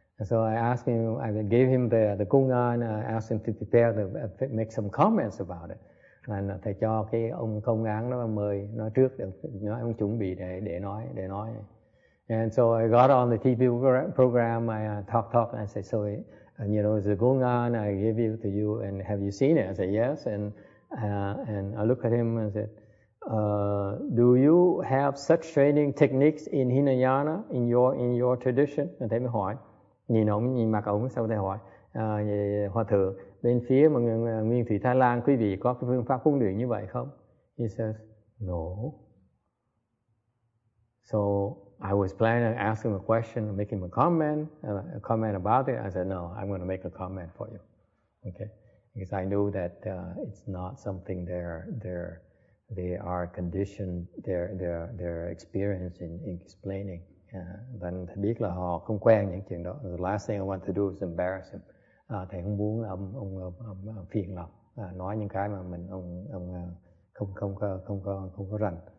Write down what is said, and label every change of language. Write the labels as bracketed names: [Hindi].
[English] So I asked him, I gave him the kung an, asked him to prepare to make some comments about it. [Vietnamese] And thầy cho cái ông kung an nó mời nó trước để nói, ông chuẩn bị để nói. [English] And so I got on the TV program, I talk, and I said, so you know, the kung an I gave it to you, and have you seen it? I said, yes. And I looked at him and said, do you have such training techniques in Hinayana in your tradition? [Vietnamese] And thầy mới hỏi. Nhìn ông, nhìn mặt ông, sau thầy hỏi, Hòa Thượng, bên phía mà Nguyên Thủy Thái Lan, quý vị có cái phương pháp huấn luyện như vậy không? [English] He says, no. So I was planning to ask him a question, make him a comment about it. I said, no, I'm going to make a comment for you. Okay? Because I knew that it's not something they are conditioned, their experience in explaining. [Vietnamese] Và thầy biết là họ không quen những chuyện đó. [English] The last thing I want to do is embarrass him. [Vietnamese] Thầy không muốn ông phiền lòng nói những cái mà mình ông không có rành.